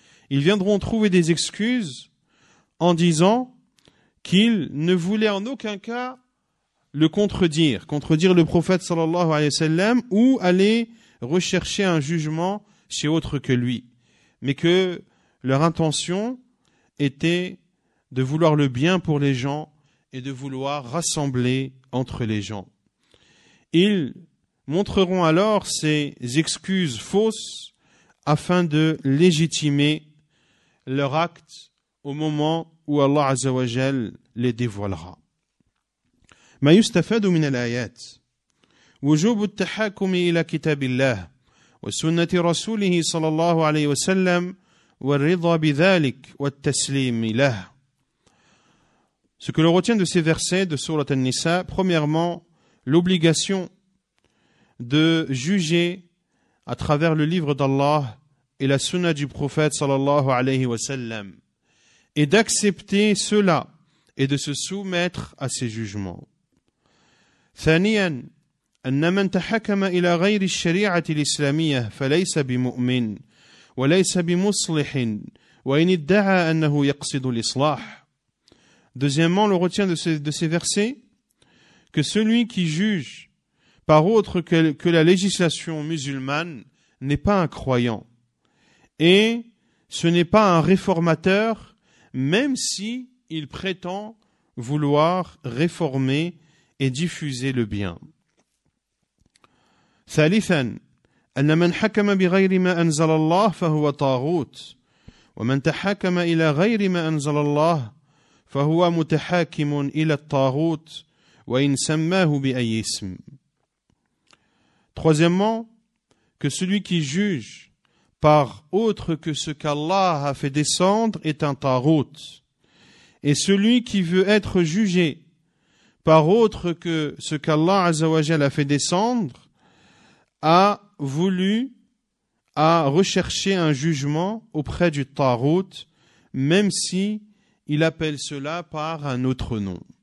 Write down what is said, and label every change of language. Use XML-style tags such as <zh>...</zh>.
<fr>Ils viendront trouver des excuses en disant qu'il ne voulait en aucun cas le contredire le prophète sallallahu alayhi wa sallam ou aller rechercher un jugement chez autre que lui, mais que leur intention était de vouloir le bien pour les gens et de vouloir rassembler entre les gens. Ils montreront alors ces excuses fausses afin de légitimer leur acte au moment où Allah Azza wa Jal les dévoilera.</fr> <ar>ما يستفاد من الآيات وجوب التحاكم إلى كتاب الله وسنة رسوله صلى الله عليه وسلم والرضا بذلك والتسليم له.</ar> <fr>Ce que l'on retient de ces versets de sourate An-Nisa, premièrement, l'obligation de juger à travers le livre d'Allah et la sunna du prophète sallallahu alayhi wa sallam, et d'accepter cela et de se soumettre à ses jugements.</fr> <ar>ثانيا أن من تحكم إلى غير الشريعة الإسلامية فليس بمؤمن وليس بمصلح وإن ادعى أنه يقصد الإصلاح.</ar> <fr>Deuxièmement, on retient de ces versets que celui qui juge par autre que la législation musulmane n'est pas un croyant et ce n'est pas un réformateur, même s'il prétend vouloir réformer et diffuser le bien.</fr> <ar>Thalithan, أن من حكم بغير ما أنزل الله فهو طاغوت ومن تحاكم إلى غير ما أنزل الله فهو متحاكم إلى الطاغوت وإن سماه بأي اسم.</ar> <fr>Troisièmement, que celui qui juge par autre que ce qu'Allah a fait descendre est un tagout. Et celui qui veut être jugé par autre que ce qu'Allah azawajal a fait descendre a voulu, a recherché un jugement auprès du tagout, même si il appelle cela par un autre nom.</fr>